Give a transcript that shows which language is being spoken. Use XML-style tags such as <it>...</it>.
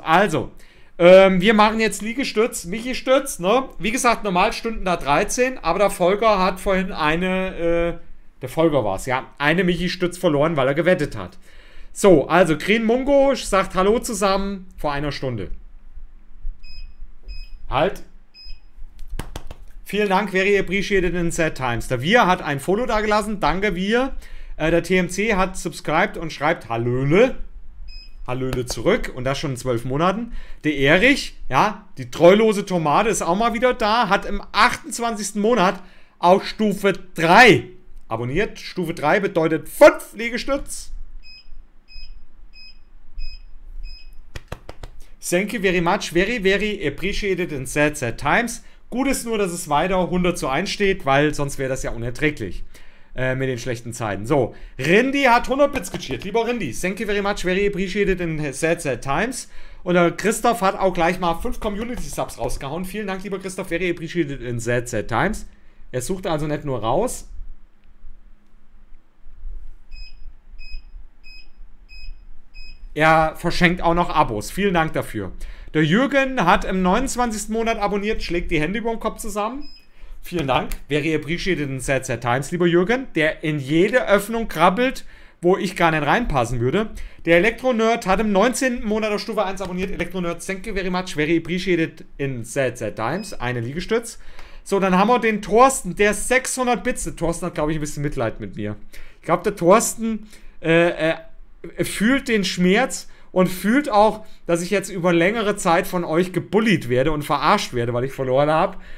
<de>Also, wir machen jetzt Liegestütz, Michi-Stütz, ne? Wie gesagt, normal Stunden da 13, aber der Volker hat vorhin eine, der Volker war es, ja, eine Michi-Stütz verloren, weil er gewettet hat. So, also, Green Mungo sagt Hallo zusammen vor einer Stunde. Halt. Vielen Dank,</de> <en>very appreciated in sad times.</en> <de>Der Wir hat ein Foto da gelassen. Danke, Wir. Der TMC hat subscribed und schreibt Hallöle. Hallöle zurück. Und das schon in 12 Monaten. Der Erich, ja, die treulose Tomate ist auch mal wieder da. Hat im 28. Monat auf Stufe 3 abonniert. Stufe 3 bedeutet 5 Liegestütz.</de> <en>Thank you very much. Very, very appreciated in sad, sad times.</en> <de>Gut ist nur, dass es weiter 100:1 steht, weil sonst wäre das ja unerträglich mit den schlechten Zeiten. So, Rindy hat 100 Bits gecheert. Lieber</de> <en>Rindy, thank you very much, very appreciated in sad, sad times. Und Christoph hat auch gleich mal 5 Community-Subs rausgehauen.</en> <de>Vielen Dank, lieber</de> <en>Christoph, very appreciated in sad, sad times.</en> <de>Er sucht also nicht nur raus. Er verschenkt auch noch Abos. Vielen Dank dafür. Der Jürgen hat im 29. Monat abonniert, schlägt die Hände über den Kopf zusammen. Vielen Dank.</de> <en>Very appreciated in ZZ Times,</en> <de>lieber Jürgen, der in jede Öffnung krabbelt, wo ich gar nicht reinpassen würde. Der Elektro-Nerd hat im 19. Monat auf Stufe 1 abonniert.</de> <en>Elektro-Nerd, thank you very much. Very appreciated in ZZ Times.</en> <de>Eine Liegestütz. So, dann haben wir den Thorsten, der 600 Bits. Der Thorsten hat, glaube ich, ein bisschen Mitleid mit mir. Ich glaube, der Thorsten fühlt den Schmerz und fühlt auch, dass ich jetzt über längere Zeit von euch gebullied werde und verarscht werde, weil ich verloren habe.</de>